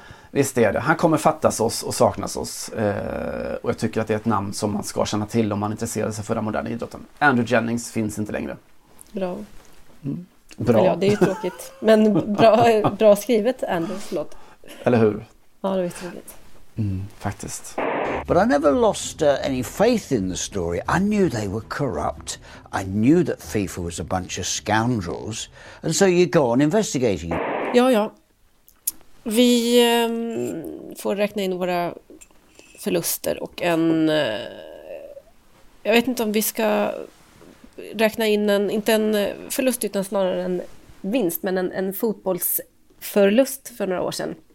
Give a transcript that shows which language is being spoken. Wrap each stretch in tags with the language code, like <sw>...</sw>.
<sv>Visst är det. Han kommer fattas oss och saknas oss. Och jag tycker att det är ett namn som man ska känna till om man intresserar sig för den moderna idrotten. Andrew Jennings finns inte längre. Bra. Bra. Ja, det är ju tråkigt. Men bra, bra skrivet, Andrew, förlåt. Eller hur? Ja, det är tråkigt. Faktiskt.</sv> <en>But I never lost any faith in the story. I knew they were corrupt. I knew that FIFA was a bunch of scoundrels. And so you go on investigating.</en> <sv>Ja, ja. Vi får räkna in våra förluster och en... jag vet inte om vi ska räkna in en... inte en förlust utan snarare en vinst, men en fotbollsförlust för några år sedan.</sv>